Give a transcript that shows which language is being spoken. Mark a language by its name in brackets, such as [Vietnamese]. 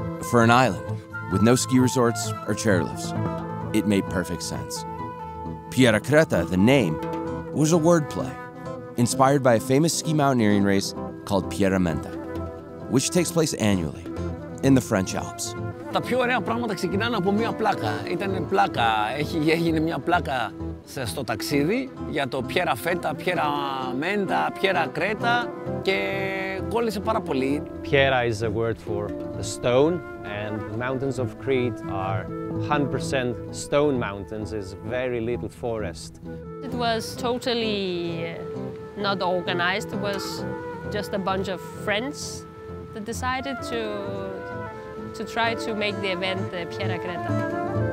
[English] For an island with no ski resorts or chairlifts, it made perfect sense. Piera Creta, the name, was a wordplay inspired by a famous ski mountaineering race called Piera Menta, which takes place annually in the French Alps. [Greek] Τα πιο ωραία πράγματα ξεκινάνε από μια πλάκα. Ήταν πλάκα, έγινε μια πλάκα στο ταξίδι για το Piera Feta, Piera Menta, Piera Creta και κόλλησε πάρα πολύ. [English] Piera is a word for the stone and the mountains of Crete are 100% stone mountains, is very little forest. It was totally not organized, it was just a bunch of friends that decided to try to make the event the Piera Creta.